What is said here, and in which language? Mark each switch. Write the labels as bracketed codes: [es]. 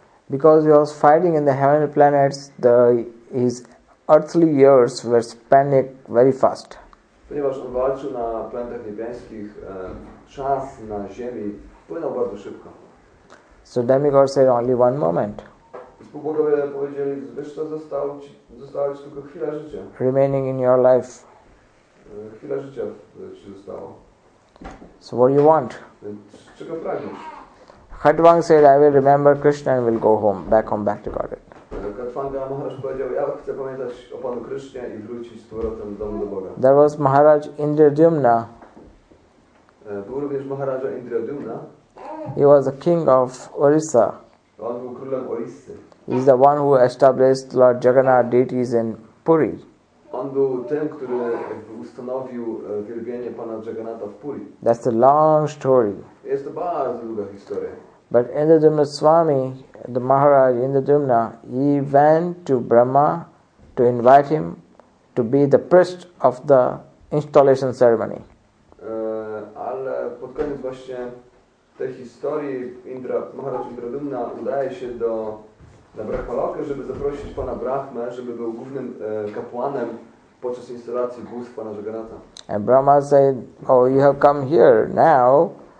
[en] Because he was fighting in the heavenly planets, his earthly years were spent very fast. [pl] Ponieważ on walczył na planetach niebiańskich, czas na Ziemi płynął bardzo szybko. [en] So demigod said only one moment. [pl] Spółbogowie powiedzieli, wiesz co, została ci tylko chwila życia. [en] Remaining in your life. [pl] Chwila życia ci zostało. [en] So what do you want? [pl] Czego pragniesz? [en] Khatvang said, I will remember Krishna and will go home, back home, back to Godhead. [pl] Khatvanga Maharaj powiedział, ja chcę pamiętać o Panu Krishna i wrócić z powrotem do Boga. [en] There was Maharaj Indradyumna. [pl] Był również Maharaja Indradyumna. [en] He was the king of Orissa. [pl] On był królem Orissy. [en] He's the one who established Lord Jagannath deities in Puri. [pl] On był tym, który ustanowił wielbienie Pana Jagannatha w Puri. [en] That's a long story. [pl] Jest to bardzo długa historia. [en] But Indradyumna Swami, the Maharaj Indradyumna, he went to Brahma to invite him to be the priest of the installation ceremony. [pl] Ale pod koniec właśnie tej historii Maharaj Indradyumna udaje się na Brahmalokę, żeby zaprosić Pana Brahmę, żeby był głównym kapłanem podczas instalacji bóstw Pana Jagannatha. [en] And Brahma said, oh, you have come here now.